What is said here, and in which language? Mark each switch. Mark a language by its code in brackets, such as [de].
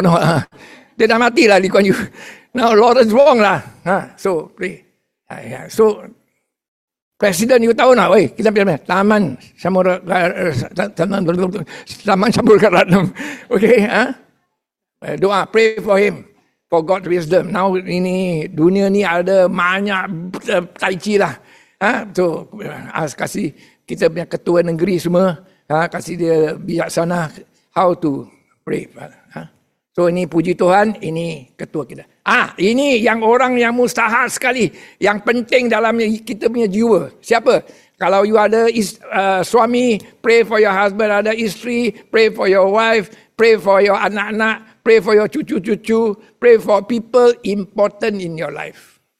[ms] No? Huh? Dia dah mati lah Lee Kuan Yew. Now Lawrence Wong lah. Huh? [en] So pray. [ms] So President, you tahu nak? Oi, kita pilih mana? Taman Samurakaratnam. Taman Samurakaratnam. Okay, ha? Huh? [en] Doa, pray for him, for God's wisdom. [ms] Now ini dunia ni ada banyak tai chi lah. So ask, kasih kita punya ketua negeri semua, kasih dia bijaksana [en] how to pray. [ms] So ini puji Tuhan, ini ketua kita. Ini yang orang yang mustahak sekali, yang penting dalam kita punya jiwa. Siapa? Kalau you ada suami, [en] pray for your husband. [ms] Ada isteri, [en] pray for your wife. Pray for your anak-anak. Pray for your cucu-cucu. Pray for people important in your life.